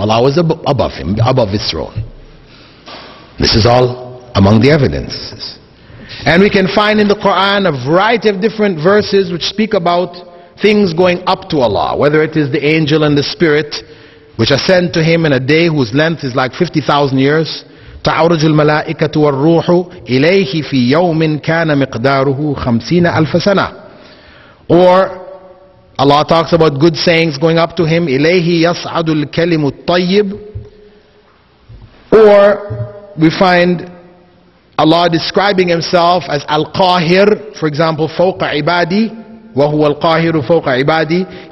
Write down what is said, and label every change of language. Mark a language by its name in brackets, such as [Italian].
[English] Allah was above him, above his throne. This is all among the evidences. And we can find in the Quran a variety of different verses which speak about things going up to Allah, whether it is the angel and the spirit which ascend to him in a day whose length is like 50,000 years. [Arabic] تعرج الملائكة والروح إليه في يوم كان مقداره 50,000 سنة. [English] Or Allah talks about good sayings going up to him. [Arabic] إليه يصعد الكلم الطيب. [English] Or we find Allah describing himself as Al-Qahir, for example, [Arabic] فَوْقَ عِبَادِي وَهُوَ الْقَاهِرُ فَوْقَ عِبَادِي.